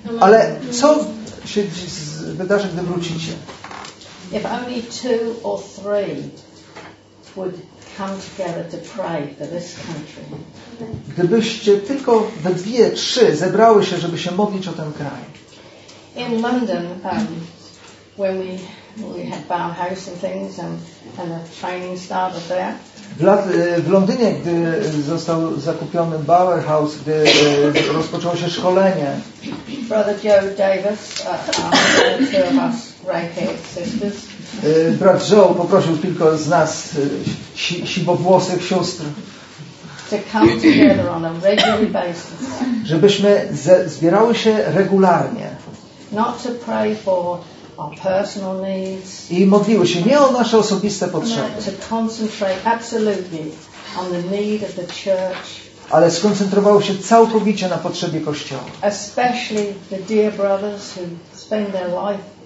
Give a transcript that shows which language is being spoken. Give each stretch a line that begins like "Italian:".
Polish: Ale co się wydarzy, gdy wrócicie?
English: If only two or three would come together to pray for this country.
Polish: Gdybyście tylko we 2-3 zebrały się, żeby się modlić o ten kraj.
English: In London, when we had Bauhaus and things and the training started there.
Polish: W Londynie, gdy został zakupiony Bauhaus, gdy rozpoczęło się szkolenie.
English: Brother Joe Davis, two of us right sisters.
Polish: Brat Joe poprosił tylko z nas sibowłosych sióstr,
English: to come together on a regular basis.
Polish: Żebyśmy zbierały się regularnie.
English: Not to pray for our personal needs.
Polish: I modliły się nie o nasze osobiste potrzeby.
English: To concentrate absolutely on the need of the church.
Polish: Ale skoncentrowały się całkowicie na potrzebie Kościoła.
English: Especially the dear brothers who spend their life.